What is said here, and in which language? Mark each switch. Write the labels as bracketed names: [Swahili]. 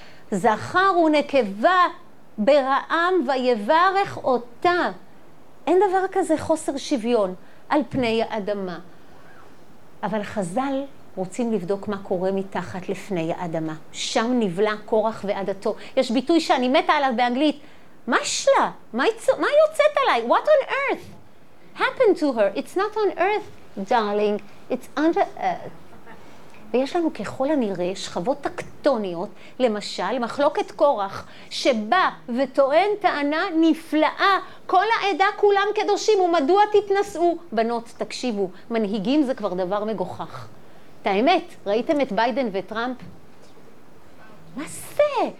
[Hebrew] זכר ונקבה ברעם ויברך אותה. אין דבר כזה חוסר שוויון על פני האדמה. אבל חז"ל רוצים לבדוק מה קורה מתחת לפני האדמה. שם נבלע קורח ועדתו. יש ביטוי שאני מתה עליו באנגלית. מה שלה? מה יוצאת עליי? [English] What on earth happened to her? It's not on earth, darling. It's under earth. [Hebrew] ויש לנו ככל הנראה שכבות טקטוניות, למשל, מחלוקת קורח, שבא וטוען טענה נפלאה, כל העדה כולם קדושים, ומדוע תתנסו? בנות, תקשיבו, מנהיגים זה כבר דבר מגוחך. את האמת, ראיתם את ביידן וטראמפ? מה זה?